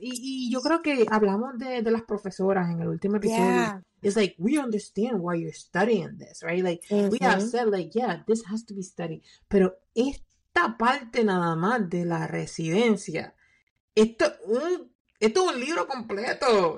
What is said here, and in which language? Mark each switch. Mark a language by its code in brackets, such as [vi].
[es] Y yo creo que hablamos de las profesoras en el último episodio. [en] Yeah. It's like, we understand why you're studying this, right? Like, we have said, like, yeah, this has to be studied. [es] Pero esta parte nada más de la residencia, esto es un libro completo.